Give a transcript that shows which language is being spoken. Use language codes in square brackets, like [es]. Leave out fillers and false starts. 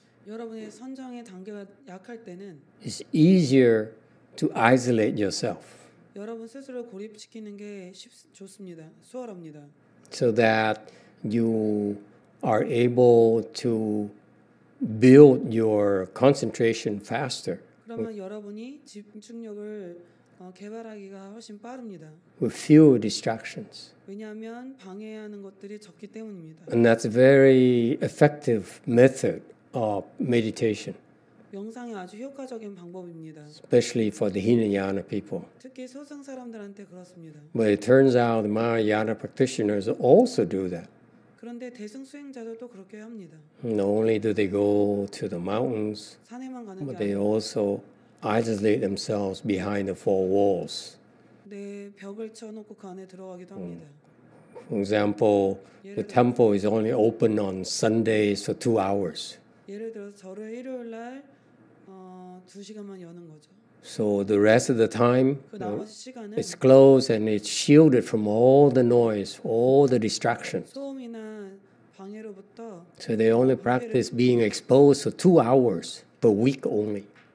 [ko] 여러분의 선정의 단계가 약할 때는, [en] it's easier to isolate yourself. [ko] 여러분 스스로 고립시키는 게 좋습니다. 수월합니다. [en] So that you are able to build your concentration faster. [ko] 그러면 여러분이 집중력을 개발하기가 훨씬 빠릅니다. [en] With few distractions. [ko] 왜냐하면 방해하는 것들이 적기 때문입니다. [en] And that's a very effective method of meditation. [ko] 명상이 아주 효과적인 방법입니다. [en] Especially for the Hinayana people. [ko] 특히 소승 사람들한테 그렇습니다. [en] But it turns out the Mahayana practitioners also do that. [ko] 그런데 대승 수행자들도 그렇게 합니다. [en] Not only do they go to the mountains, but they also isolate themselves behind the four walls. [ko] 네, 벽을 쳐놓고 그 안에 들어가기도 합니다. [en] For example, the temple is only open on Sundays for 2 hours. [ko] 예를 들어 절을 일요일 날 두 시간만 여는 거죠. [en] So the rest of the time, know, it's closed and it's shielded from all the noise, all the distractions. So they only practice being exposed for 2 hours per week only.